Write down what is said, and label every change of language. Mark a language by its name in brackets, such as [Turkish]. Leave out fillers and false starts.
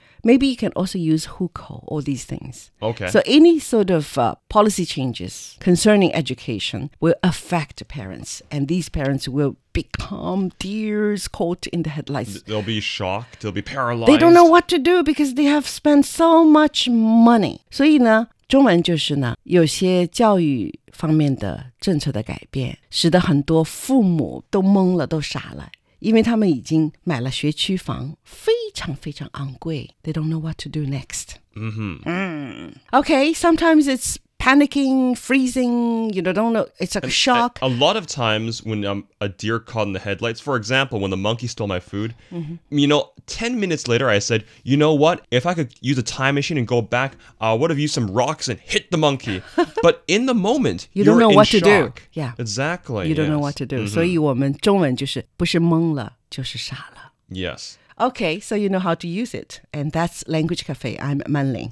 [English] Maybe you can also use hukou, all these things. Okay. So any sort of policy changes concerning education will affect parents, and these parents will become deers caught in the headlights. They'll be shocked. They'll be paralyzed. They don't know what to do because they have spent so much money. [Chinese] 所以呢，中文就是呢，有些教育方面的政策的改变，使得很多父母都懵了，都傻了。因为他们已经买了学区房，非常非常昂贵。 [English] They don't know what to do next. Okay, sometimes it's panicking, freezing, you don't know, it's a shock. A lot of times when a deer caught in the headlights, for example, when the monkey stole my food, 10 minutes later I said, you know what, if I could use a time machine and go back, I would have used some rocks and hit the monkey. But in the moment, you don't know what to do. Yeah. Exactly. You don't know what to do. [Chinese] 所以我们中文就是不是懵了就是傻了。 [English] Yes. Okay, so you know how to use it. And that's Language Cafe. I'm Manling.